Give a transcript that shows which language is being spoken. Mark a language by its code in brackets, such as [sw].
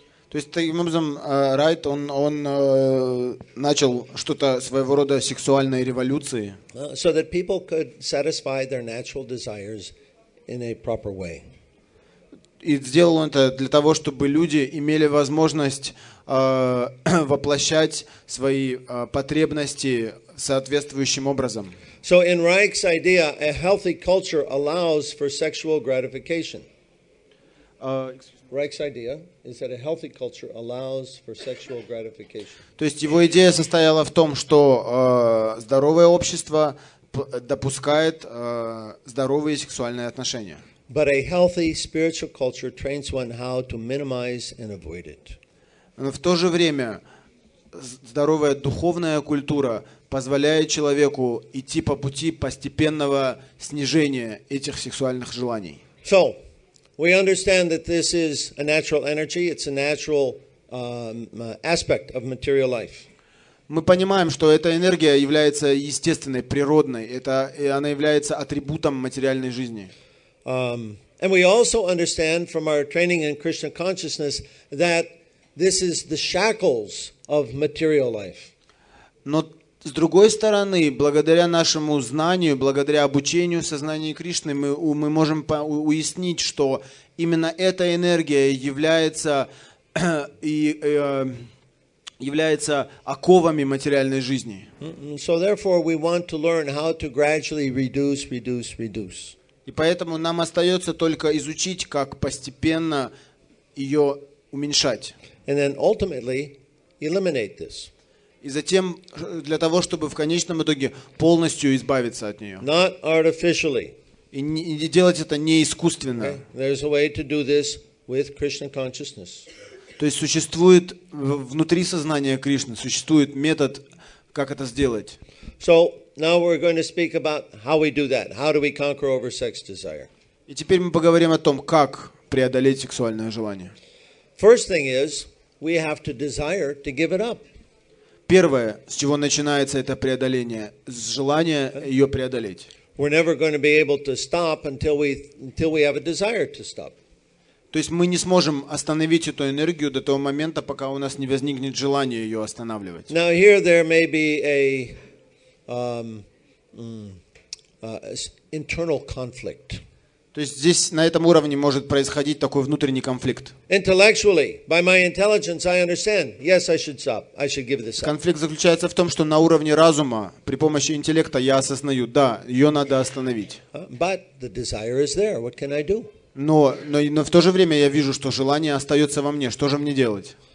[ru] То есть таким образом Райт он начал что-то своего рода сексуальной революции. [en] So that people could satisfy their natural desires in a proper way. [ru] И сделал он это для того, чтобы люди имели возможность воплощать свои потребности соответствующим образом. [en] So in Reich's idea, a healthy culture allows for sexual gratification. Reich's idea is that a healthy culture allows for sexual gratification. [ru] То есть его идея состояла в том, что здоровое общество допускает здоровые сексуальные отношения. [en] But a healthy spiritual culture trains one how to minimize and avoid it. [ru] Но в то же время здоровая духовная культура позволяет человеку идти по пути постепенного снижения этих сексуальных желаний. [en] So, we understand that this is a natural energy, it's a natural aspect of material life. [ru] Мы понимаем, что эта энергия является естественной, природной, и она является атрибутом материальной жизни. [en] And we also understand from our training in Krishna consciousness that this is the shackles of material life. [ru] Но с другой стороны, благодаря нашему знанию, благодаря обучению сознания Кришны, мы можем уяснить, что именно эта энергия является оковами материальной жизни. [en] So therefore we want to learn how to gradually reduce. [ru] И поэтому нам остается только изучить, как постепенно ее уменьшать. [en] And then ultimately eliminate this. [ru] И затем для того, чтобы в конечном итоге полностью избавиться от нее. [en] Not artificially. [ru] И не делать это не искусственно. [en] There's a way to do this with Krishna consciousness. [ru] То есть существует внутри сознания Кришны, существует метод, как это сделать. [en] So now we're going to speak about how we do that. How do we conquer over sex desire? [ru] И теперь мы поговорим о том, как преодолеть сексуальное желание. [en] First thing is, we have to desire to give it up. [ru] Первое, с чего начинается это преодоление, с желания ее преодолеть. [en] We're never going to be able to stop until we have a desire to stop. [ru] То есть мы не сможем остановить эту энергию до того момента, пока у нас не возникнет желание ее останавливать. [en] Now here there may be a internal conflict. [ru] То есть здесь, на этом уровне, может происходить такой внутренний конфликт. Конфликт заключается в том, что на уровне разума, при помощи интеллекта, я осознаю, да, ее надо остановить. Но в то же время я вижу, что желание остается во мне. Что же мне делать?